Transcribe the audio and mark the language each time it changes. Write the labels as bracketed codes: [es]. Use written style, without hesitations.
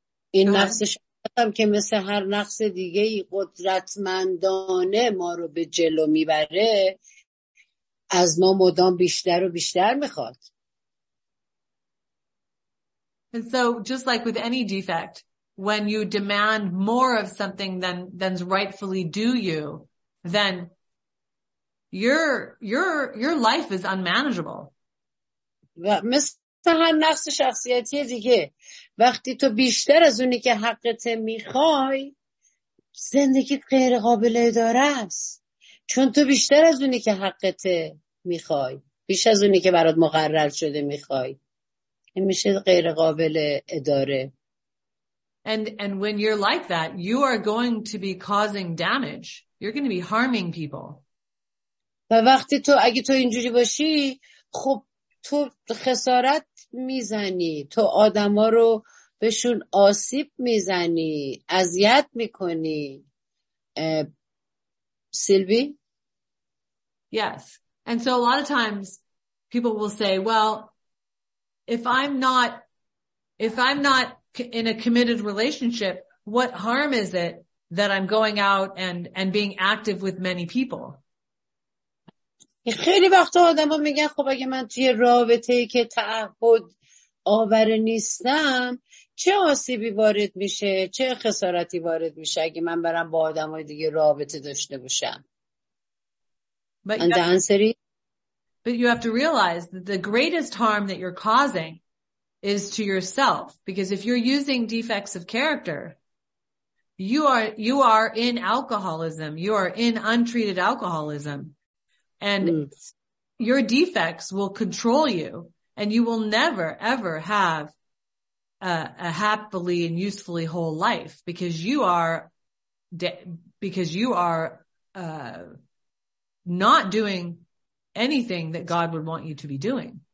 [fa] این نقص شهوت هم که مثل هر نقص دیگه ای قدرتمندانه ما رو به جلو میبره، از ما مدام بیشتر و بیشتر میخواد. [en] And so just like with any defect, when you demand more of something than's rightfully due you, then your life is unmanageable. [fa] تا هر نقص شخصیتی دیگه، وقتی تو بیشتر از اونی که حقت میخوای، زندگیت غیر قابل اداره است، چون تو بیشتر از اونی که حقت میخوای، بیش از اونی که برات مقرر شده میخوای، این میشه غیر قابل اداره. [en] And when you're like that, you are going to be causing damage. You're going to be harming people. [fa] و وقتی تو اگه تو اینجوری باشی، خب تو خسارت میزنی، تو آدم ها رو بهشون آسیب میزنی، اذیت میکنی. سیلوی؟ [en] Yes. And so a lot of times people will say, well, if I'm not If I'm not in a committed relationship, what harm is it that I'm going out and being active with many people? [fa] خیلی وقتا آدم ها میگن خب اگه من توی رابطه‌ای که تعهد آور نیستم چه آسیبی وارد میشه چه خسارتی وارد میشه اگه من برم با آدم های دیگه رابطه داشته باشم. [en] But you have to realize that the greatest harm that you're causing is to yourself, because if you're using defects of character, you are in alcoholism, you are in untreated alcoholism, and your defects will control you, and you will never ever have a happily and usefully whole life because you are not doing anything that God would want you to be doing.